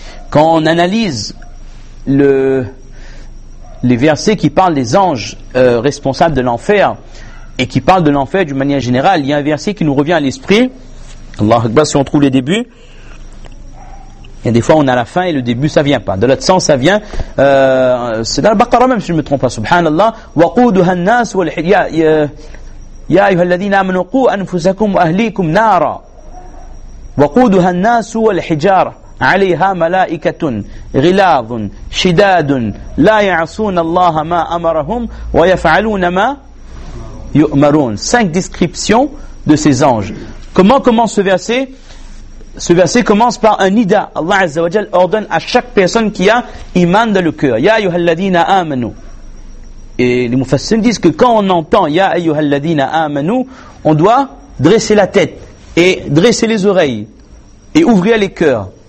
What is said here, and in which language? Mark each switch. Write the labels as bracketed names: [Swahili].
[French] Quand on analyse les versets qui parlent des anges responsables de l'enfer et qui parlent de l'enfer d'une manière générale, il y a un verset qui nous revient à l'esprit. Allah Akbar, si on trouve les débuts. Il y a des fois on a la fin et le début ça vient pas. De l'autre sens ça vient. C'est dans le Baqara même si je ne me trompe pas. [Arabic] Subhanallah. Waquduha an-nas wal hiya. يا أيها الذين آمنوا قوا أنفسكم وأهليكم نارا وقودها الناس والحجارة عليها ملائكة غلاظ شداد لا يعصون الله ما أمرهم ويفعلون ما يؤمرون. [French] Cinq descriptions de ces anges. Comment commence ce verset? Ce verset commence par un nida. Allah Azza wa Jal ordonne à chaque personne qui a iman dans le cœur. [Arabic] Ya ayyuhal ladhina amanu. [French] Et les mufassirs disent que quand on entend Ya ayyuhal ladhina amanu, on doit dresser la tête et dresser les oreilles et ouvrir les cœurs.